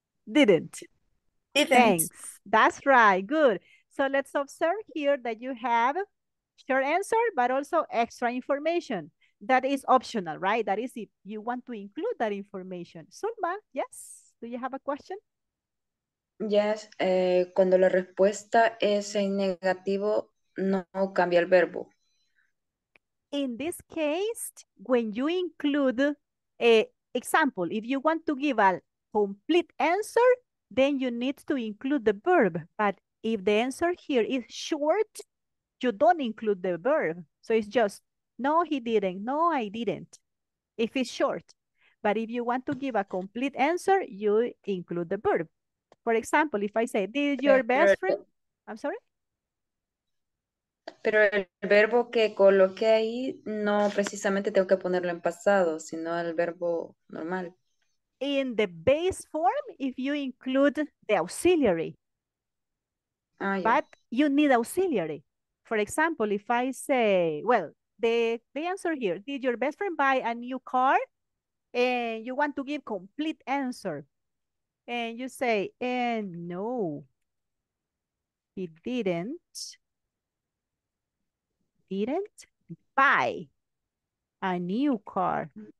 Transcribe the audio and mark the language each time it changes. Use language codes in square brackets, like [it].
[en] Didn't. Thanks. That's right. Good. So let's observe here that you have short answer, but also extra information. That is optional, right? That is if you want to include that information. Zulma, yes? Do you have a question? Yes. [es] Cuando la respuesta es en negativo, no cambia el verbo. [en] In this case, when you include a example, if you want to give a complete answer, then you need to include the verb. But if the answer here is short, you don't include the verb. So it's just, no, he didn't. No, I didn't. If it's short. But if you want to give a complete answer, you include the verb. For example, if I say, did your best friend? I'm sorry? [es] Pero el verbo que coloqué ahí, no precisamente tengo que ponerlo en pasado, sino el verbo normal. [en] In the base form, if you include the auxiliary. Yeah. But you need auxiliary. For example, if I say, well, the answer here, did your best friend buy a new car? And you want to give complete answer. And you say, and no, he didn't buy a new car.